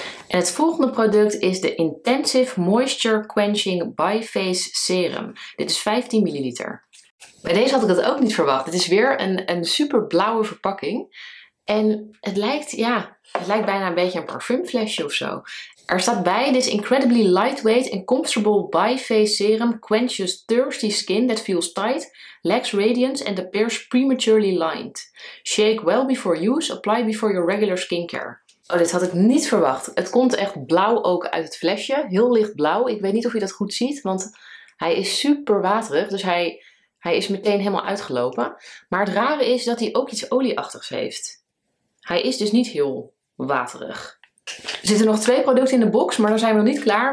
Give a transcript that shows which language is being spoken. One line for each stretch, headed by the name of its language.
Dutch: En het volgende product is de Intensive Moisture Quenching Biface Serum. Dit is 15 ml. Bij deze had ik dat ook niet verwacht. Dit is weer een super blauwe verpakking. En het lijkt, ja, het lijkt bijna een beetje een parfumflesje of zo. Er staat bij,
English: this incredibly lightweight and comfortable bi-face serum quenches thirsty skin that feels tight, lacks radiance and appears prematurely lined. Shake well before use, apply before your regular skincare.
Dutch: Oh, dit had ik niet verwacht. Het komt echt blauw ook uit het flesje. Heel licht blauw. Ik weet niet of je dat goed ziet, want hij is super waterig. Dus hij is meteen helemaal uitgelopen. Maar het rare is dat hij ook iets olieachtigs heeft. Hij is dus niet heel waterig. Er zitten nog twee producten in de box, maar dan zijn we nog niet klaar.